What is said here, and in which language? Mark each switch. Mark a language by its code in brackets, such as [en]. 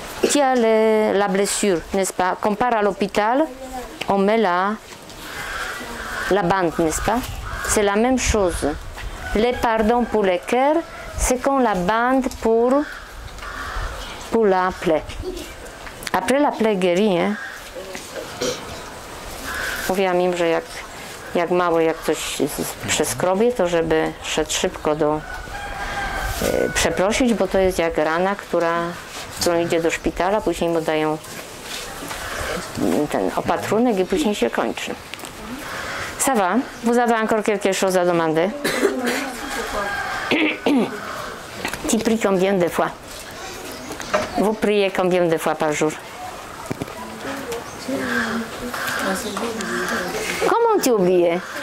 [fr] Tu as la blessure, n'est-ce pas? Qu'on part à l'hôpital, on met la bande, n'est-ce pas? C'est la même chose. Le pardon pour le cœur, c'est comme la bande pour la plaie. Après la plaie guérie, hein? [pl] Mówiłam im, że jak mało, jak coś przeskrobię, to żeby szedł szybko do... przeprosić, bo to jest jak rana, którą idzie do szpitala, później mu dają ten opatrunek i później się kończy. [fr] Ça va? Vous avez encore quelque chose à demander? Tu pries combien de fois? Vous priez combien de fois par jour? Comment tu oublies?